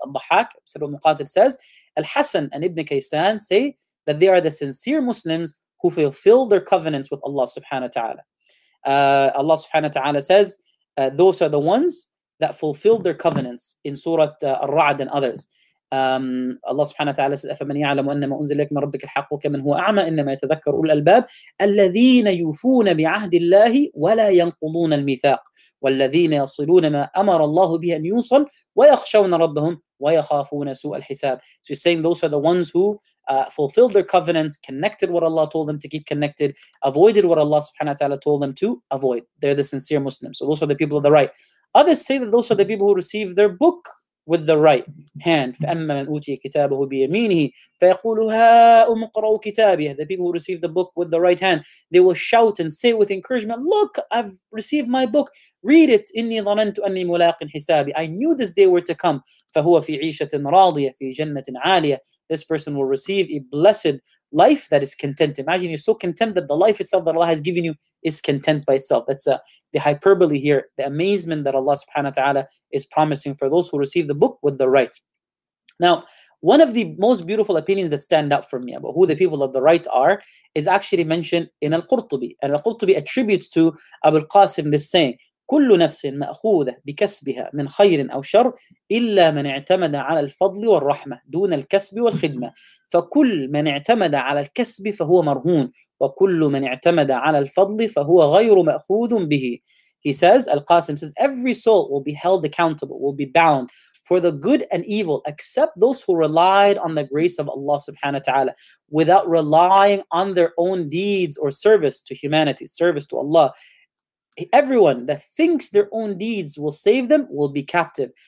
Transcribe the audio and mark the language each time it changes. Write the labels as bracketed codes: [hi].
[en] Al-Dhahhak said what Muqatil says. Al-Hasan and Ibn Kaysan say that they are the sincere Muslims who fulfill their covenants with Allah subhanahu wa ta'ala. Allah subhanahu wa ta'ala says, those are the ones that fulfill their covenants in Surah Ar-Ra'd and others. Allah subhanahu wa ta'ala says, [ar] أَفَمَنْ يَعْلَمُ أَنَّمَا أُنزِلَ لَكَ مِنْ رَبِّكَ الْحَقُّ كَمَنْ هُوَ أَعْمَى إِنَّمَا يَتَذَكَّرُ أُولُو الْأَلْبَابِ الَّذِينَ يُوفُونَ بِعَهْدِ اللَّهِ وَلَا يَنْقُضُونَ الْمِيثَاقَ وَالَّذِينَ يَصِلُونَ مَا أَمَرَ اللَّهُ بِهِ أَنْ يُوصَلَ وَيَخْشَوْنَ رَبَّهُمْ وَيَخَافُونَ سُوءَ الْحِسَابِ. [en] So he's saying those are the ones who fulfilled their covenant, connected what Allah told them to keep connected, avoided what Allah subhanahu wa ta'ala told them to avoid. They're the sincere Muslims. So those are the people of the right. Others say that those are the people who receive their book with the right hand. [ar] فَأَمَّا مَنْ أُوتِيَ كِتَابَهُ بِيَمِينِهِ فَيَقُولُ هَا أُمْقْرَوْ كِتَابِيَ. [en] The people who receive the book with the right hand, they will shout and say with encouragement, look, I've received my book, read it. [ar] إِنِّي ظَنَنْتُ أَنِّي مُلَاقٍ حِسَابِي. [en] I knew this day were to come. [ar] فَهُوَ فِي عِيشَةٍ رَاضِيَ فِي جَنَّةٍ عَالِيَةٍ. [en] This person will receive a blessed life that is content. Imagine you're so content that the life itself that Allah has given you is content by itself. That's the hyperbole here, the amazement that Allah subhanahu wa ta'ala is promising for those who receive the book with the right. Now, one of the most beautiful opinions that stand out for me about who the people of the right are is actually mentioned in Al-Qurtubi. And Al-Qurtubi attributes to Abu al-Qasim this saying, [ar] كل نفس مأخوذة بكسبها من خير أو شر إلا من اعتمد على الفضل والرحمة دون الكسب والخدمة فكل من اعتمد على الكسب فهو مرهون وكل من اعتمد على الفضل فهو غير مأخوذ به. [en] He says, Al-Qasim says, every soul will be held accountable, will be bound for the good and evil, except those who relied on the grace of Allah subhanahu wa ta'ala without relying on their own deeds or service to humanity, service to Allah. Everyone that thinks their own deeds will save them will be captive.